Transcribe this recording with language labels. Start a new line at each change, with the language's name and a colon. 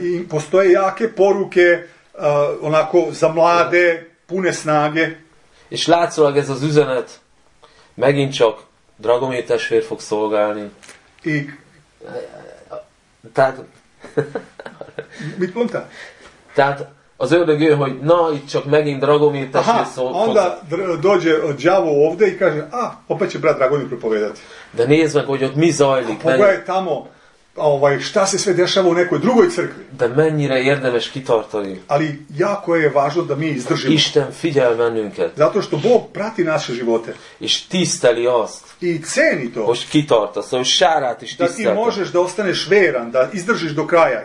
Serbian: Postoje jake poruke, onako za mlade, pune snage.
Hungarian: És látszólag ez az üzenet megint csak Dragomir testvér fog szolgálni. Ig. Tehát... Mit mondta? Tehát az ördög jön, hogy na, itt csak megint Dragomir testvér szól.
Serbian: Aha, onda dođe djavo ovde i kaže, ah, opet će brat Dragomir propovedati.
Hungarian: De nézd meg, hogy ott mi zajlik.
Serbian: Ha, pogledaj tamo, ovaj, šta se sve dešava u nekoj drugoj crkvi.
Hungarian: De mennyire érdemes kitartani.
Serbian: Ali jako je važno da mi izdržimo.
Hungarian: Isten figyel bennünket.
Serbian: Zato što Bog prati naše živote.
Hungarian: És tiszteli azt.
Serbian: I ceni to.
Hungarian: Hogy kitartasz, hogy Sárát is tiszteltem.
Serbian: Da ti možeš da ostaneš veran, da izdržiš do kraja.